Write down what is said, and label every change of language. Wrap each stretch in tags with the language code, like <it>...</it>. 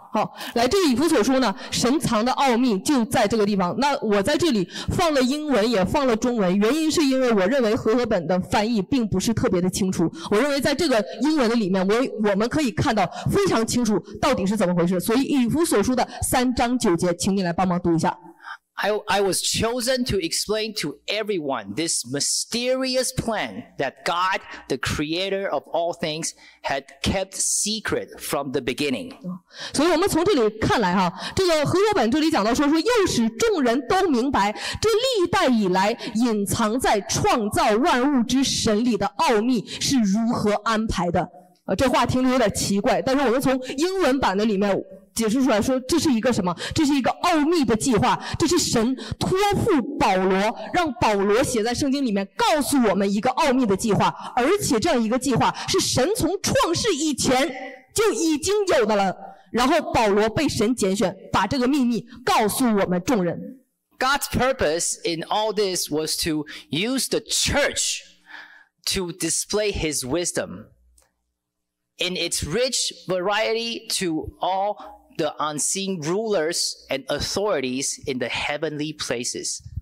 <zh>好，来，这个以弗所书呢，神藏的奥秘就在这个地方。那我在这里放了英文也放了中文，原因是因为我认为和合本的翻译并不是特别的清楚，我认为在这个英文的里面我们可以看到非常清楚到底是怎么回事。所以以弗所书的3:9，请你来帮忙读一下。</zh> <en>I was chosen to explain to everyone this mysterious plan that God, the creator of all things, had kept secret from the beginning.</en> <zh>所以我们从这里看来哈，这个和合本这里讲到说又使众人都明白这历代以来隐藏在创造万物之神里的奥秘是如何安排的。这话听着有点奇怪，但是我们从英文版的里面解释出来说，这是一个什么？这是一个奥秘的计划，这是神托付保罗，让保罗写在圣经里面，告诉我们一个奥秘的计划，而且这样一个计划是神从创世以前就已经有的了。然后保罗被神拣选，把这个秘密告诉我们众人。</zh> <en>God's purpose in all this was to use the church to display his wisdom. In its rich variety to all the unseen rulers and authorities in the heavenly places.</en>